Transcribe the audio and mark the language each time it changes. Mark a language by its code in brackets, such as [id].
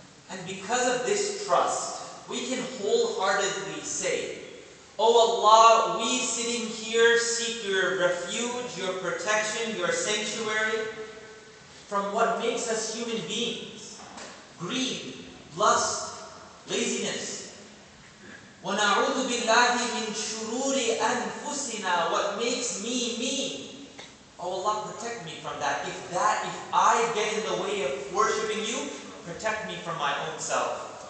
[en] and because of this trust we can wholeheartedly say, O Allah, we sitting here seek your refuge, your protection, your sanctuary from what makes us human beings: greed, lust, laziness. [ar] وَنَعُوذُ بِاللَّهِ مِنْ شُرُورِ أَنفُسِنَا, [en] what makes me, me. Oh Allah, protect me from that. If I get in the way of worshipping you, protect me from my own self.